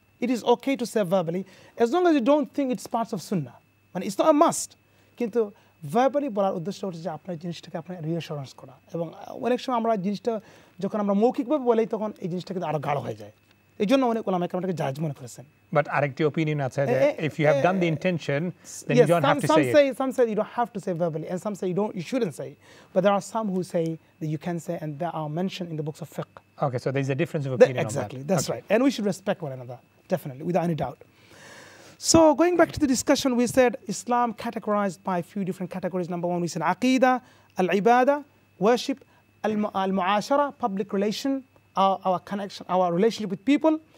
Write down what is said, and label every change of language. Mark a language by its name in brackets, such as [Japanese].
[English] It is okay to say verbally as long as you don't think it's part of sunnah. Mane it's not a must. [Bangla] Kintu verbally bolar uddeshyo hocche je apnar jinish ta ke apnar reassurance kora ebong onek shomoy amra jinish ta যখন আমরা মৌখিকভাবে বলি তখন এই জিনিসটাকে আরো গাঢ় হয়ে যায় এই জন্য অনেক ওলামা একরামকে জাজ মনে করেছেন [English] but [Bangla] আরেকটি ওপিনিয়ন আছে যে [English] If you have done the intention then you don't have to say it some say you don't have to say verbally and some say you don't you shouldn't say but there are some who say that you can say and they are mention in the books of ফিক okay so there is a difference of opinion exactly that's right and we should respect one another definitely without any doubt So going back to the discussion, we said Islam categorized by a few different categories. Number one, we said Aqidah, Al-Ibadah, Worship, Al-Mu'ashara, public relation, our connection, our relationship with people.